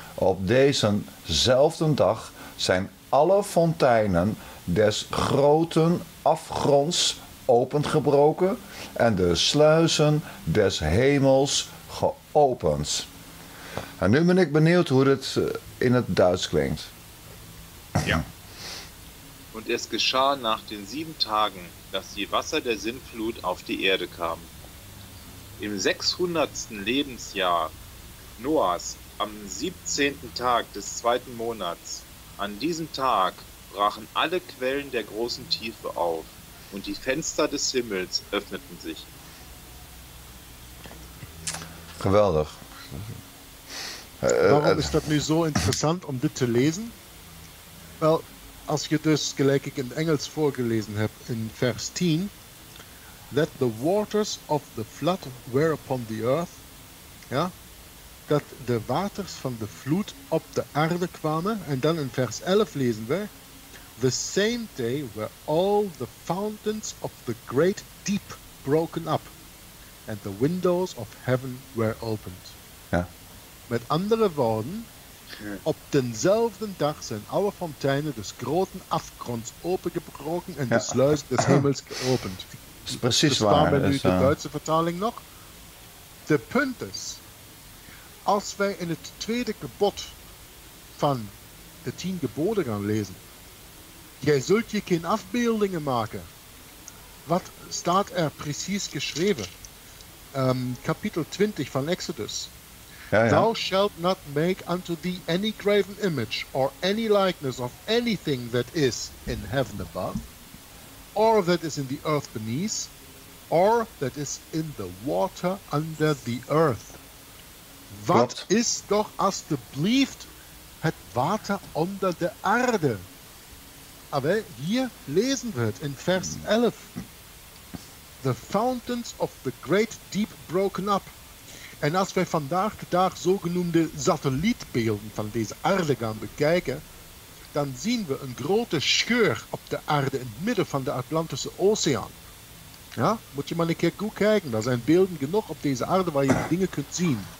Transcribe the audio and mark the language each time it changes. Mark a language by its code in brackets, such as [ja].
[nl] Op dezezelfde dag zijn alle fonteinen des groten afgronds opengebroken en de sluizen des hemels geopend. En nu ben ik benieuwd hoe het in het Duits klinkt. Ja. [de] En es geschah nach den 7 Tagen, dass die Wasser der Sintflut auf die Erde kam. Im 600. Lebensjahr Noahs. Am 17. Tag des 2. Monats, an diesem Tag, brachen alle Quellen der großen Tiefe auf und die Fenster des Himmels öffneten sich. [nl] Geweldig. [de] Warum ist das nun so interessant, um das zu lesen? Weil, als ihr das gleich in Englisch vorgelesen habt, in Vers 10, [en] that the waters of the flood were upon the earth, [nl] ja, dat de waters van de vloed op de aarde kwamen. En dan in vers 11 lezen we: [en] the same day were all the fountains of the great deep broken up and the windows of heaven were opened. [nl] Ja. Met andere woorden, op denzelfde dag zijn alle fonteinen des groten afgronds opengebroken en de sluis des hemels geopend. Dat is precies waar. Dus nu de Duitse vertaling nog. De punt is, als wij in het 2e gebod van de 10 geboden gaan lezen, jij zult je geen afbeeldingen maken. Wat staat er precies geschreven? Kapitel 20 van Exodus. Ja, ja. [en] Thou shalt not make unto thee any graven image or any likeness of anything that is in heaven above, or that is in the earth beneath, or that is in the water under the earth. [nl] Wat is doch als de blieft het water onder de aarde? [de] Aber hier lesen wir in Vers 11. [en] The fountains of the great deep broken up. [nl] En als wij vandaag de dag zogenoemde satellietbeelden van deze aarde gaan bekijken, dan zien we een grote scheur op de aarde in het midden van de Atlantische Oceaan. Ja, moet je maar een keer goed kijken. Er zijn beelden genoeg op deze aarde waar je dingen kunt zien.